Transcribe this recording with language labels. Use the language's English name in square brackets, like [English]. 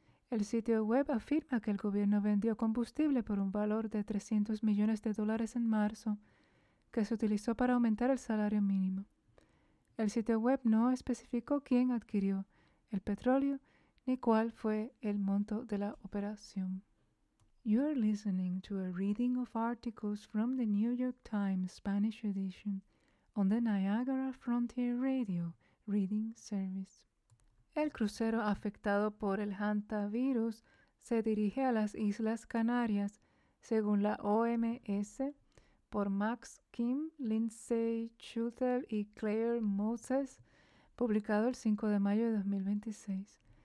[Spanish] El sitio web afirma que el gobierno vendió combustible por un valor de 300 millones de dólares en marzo, que se utilizó para aumentar el salario mínimo. El sitio web no especificó quién adquirió el petróleo ni cuál fue el monto de la operación. [English] You are listening to a reading of articles from the New York Times Spanish edition on the Niagara Frontier Radio Reading Service. [Spanish] El crucero afectado por el hantavirus se dirige a las Islas Canarias, según la OMS, por Max Kim, Lindsay Chutel y Claire Moses, publicado el 5 de mayo de 2026.